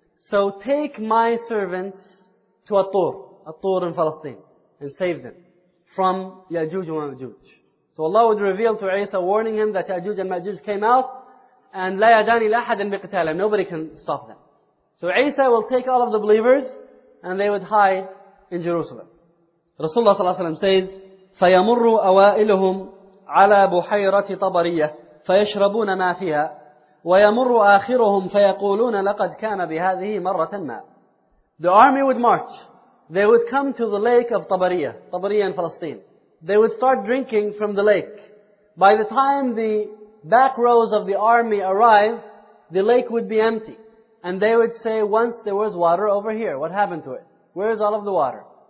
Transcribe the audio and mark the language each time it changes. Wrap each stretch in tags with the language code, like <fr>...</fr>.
<en>So take my servants to At-Tur in Palestine, and save them from Ya'juj and Ma'juj. So Allah would reveal to Isa, warning him that Ya'juj and Ma'juj came out, and</en> <ar>لَا يَدَانِي لَأَحَدٍ بِقِتَالٍ</ar> <en>Nobody can stop them. So Isa will take all of the believers, and they would hide in Jerusalem. Rasulullah sallallahu alayhi wa sallam says,</en> <ar>فَيَمُرُّ أَوَائِلُهُمْ عَلَى بُحَيْرَةِ طَبَرِيَّةٍ فَيَشْرَبُونَ مَا فِيهَا وَيَمُرُّ آخِرُهُمْ فَيَقُولُونَ لَقَدْ كَانَ بِهَذِهِ مَرَّةً مَا</ar> <en>The army would march. They would come to the lake of Tabariyah. Tabariyah in Palestine. They would start drinking from the lake. By the time the back rows of the army arrive, the lake would be empty. And they would say, once there was water over here. What happened to it? Where is all of the water?</en>